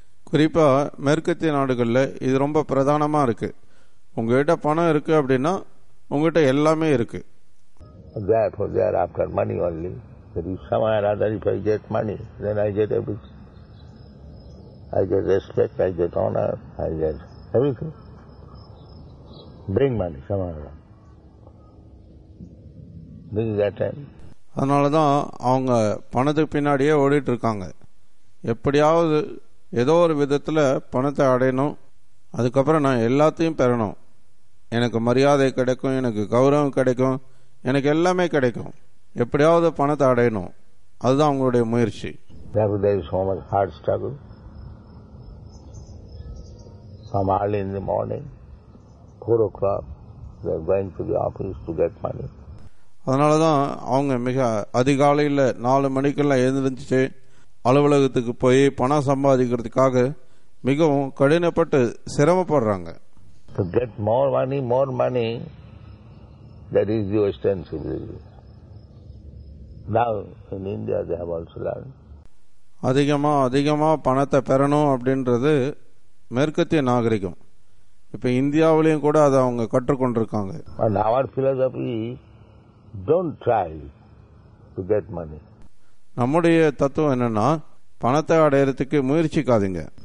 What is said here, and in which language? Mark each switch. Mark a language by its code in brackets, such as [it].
[ta] குறிப்பா மேற்கத்திய நாடுகள்ல இது ரொம்ப பிரதானமா இருக்கு. உங்ககிட்ட பணம் இருக்கு அப்படின்னா உங்ககிட்ட எல்லாமே இருக்கு. [en] Therefore, they are after money only. That is, somehow or other, if I get money, then I get everything. I get respect, I get honor, I get everything. Bring money, somehow or other. This is that time. [ta] அதனால தான் அவங்க பணத்துக்கு பின்னாடியே ஓடிட்டு இருக்காங்க. எப்படியாவது ஏதோ ஒரு விதத்துல பணத்தை அடையணும். அதுக்கப்புறம் நான் எல்லாத்தையும் பெறணும். எனக்கு மரியாதை கிடைக்கும், எனக்கு கௌரவம் கிடைக்கும், எனக்கு எல்லாமே கிடைக்கும். எப்படியாவது பணத்தை அடையணும். அதுதான் அவங்களுடைய முயற்சி. [en] Therefore, there is so much hard struggle. Some early in the morning, 4 o'clock, they are going to the office to get money. [ta] அதனால தான் அவங்க மிக அதிகாலையில் 4 மணிக்கெல்லாம் எழுந்திருந்துச்சு அலுவலகத்துக்கு போய் பணம் சம்பாதிக்கிறதுக்காக மிகவும் கடினப்பட்டு சிரமப்படுறாங்க. [en] To get more money, that is the Western civilization. Now, in India, they have also learned. [ta] அதிகமாக அதிகமாக பணத்தை பெறணும் அப்படின்றது மேற்கத்திய நாகரிகம். இப்போ இந்தியாவிலையும் கூட அதை அவங்க கற்றுக்கொண்டிருக்காங்க. [en] And our philosophy, don't try to get money. [ta] நம்முடைய தத்துவம் என்னன்னா பணத்தை அடையறதுக்கு முயற்சிக்காதீங்க.